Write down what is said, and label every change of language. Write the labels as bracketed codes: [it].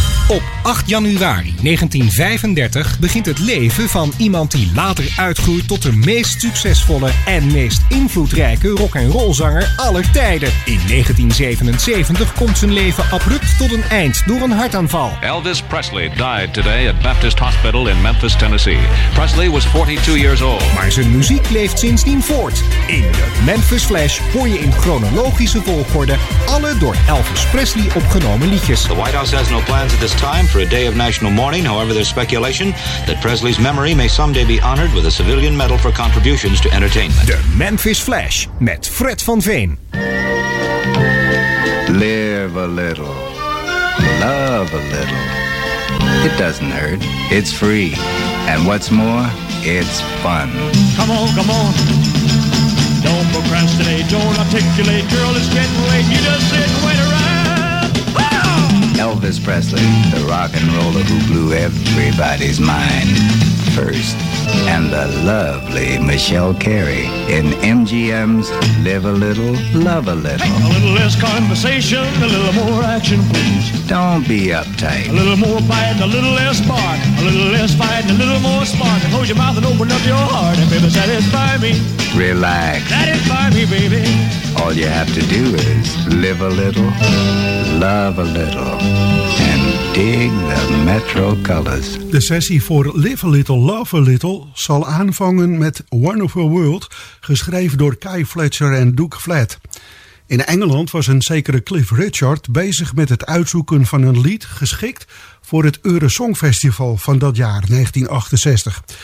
[nl] Op 8 januari 1935 begint het leven van iemand die later uitgroeit tot de meest succesvolle en meest invloedrijke rock en rollzanger aller tijden. In 1977 komt zijn leven abrupt tot een eind door een hartaanval. [en] Elvis Presley died today at Baptist Hospital in Memphis, Tennessee. Presley was 42 years old. [nl] Maar zijn muziek leeft sindsdien voort. In de Memphis Flash hoor je in chronologische volgorde alle door Elvis Presley opgenomen liedjes. [en] The White House has no plans at this time for a day of national mourning. However, there's speculation that Presley's memory may someday be honored with a civilian medal for contributions to entertainment. [nl] De Memphis Flash met Fred van Veen. [en] Live a little. Love a little. It doesn't hurt. It's free. And what's more, it's fun. Come on, come on. Don't procrastinate. Don't articulate. Girl, it's getting late. You just sit and wait around. Elvis Presley, the rock and roller who blew everybody's mind. first, and the lovely Michelle Carey in MGM's Live a Little, Love a Little. Hey, a little less conversation, a little more action, please. Don't be uptight. A little more bite, a little less spark. A little less fight, a little more spark. And close your mouth and open up your heart. And baby, satisfy me. Relax. Satisfy me, baby. All you have to do is live a little, love a little, and dig the Metro Colors. [nl] De sessie voor Live a Little, Love a Little zal aanvangen met Wonderful World, geschreven door Kai Fletcher en Duke Flat. In Engeland was een zekere Cliff Richard bezig met het uitzoeken van een lied geschikt voor het Eurosongfestival van dat jaar, 1968.